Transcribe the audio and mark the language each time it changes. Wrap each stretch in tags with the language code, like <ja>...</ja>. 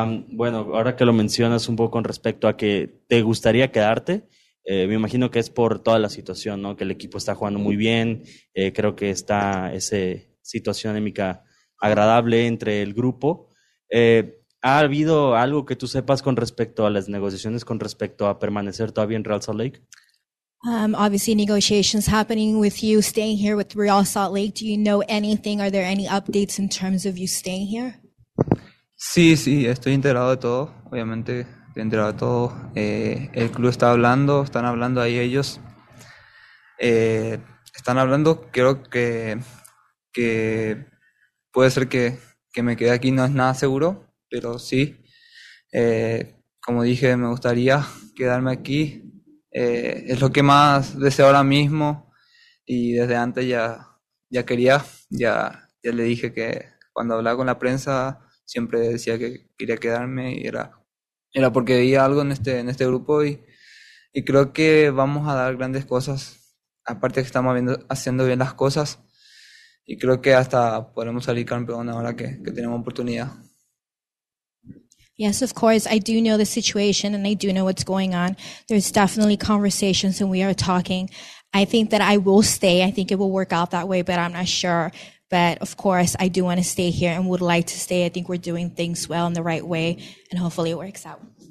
<es>Bueno, ahora que lo mencionas un poco con respecto a que te gustaría quedarte, me imagino que es por toda la situación, ¿no? Que el equipo está jugando muy bien, creo que está esa situación anímica agradable entre el grupo. ¿Ha habido algo que tú sepas con respecto a las negociaciones, con respecto a permanecer todavía en Real Salt Lake?</es> <en>Obviously, negotiations happening with you staying here with Real Salt Lake. Do you know anything? Are there any updates in terms of you staying here?</en> <es>Sí, estoy enterado de todo, obviamente, estoy enterado de todo. El club está hablando, están hablando ahí ellos. Están hablando, creo que puede ser que me quede aquí, no es nada seguro, pero sí. Como dije, me gustaría quedarme aquí. Es lo que más deseo ahora mismo y desde antes ya quería, ya le dije que cuando hablaba con la prensa. Siempre decía que quería quedarme y era porque veía algo en este grupo y creo que vamos a dar grandes cosas, aparte que estamos haciendo bien las cosas y creo que hasta podemos salir campeón ahora que tenemos oportunidad.</es> <en>Yes, of course. I do know the situation and I do know what's going on. There's definitely conversations and we are talking. I think that I will stay. I think it will work out that way, but I'm not sure. But of course, I do want to stay here and would like to stay. I think we're doing things well in the right way and hopefully it works out.</en>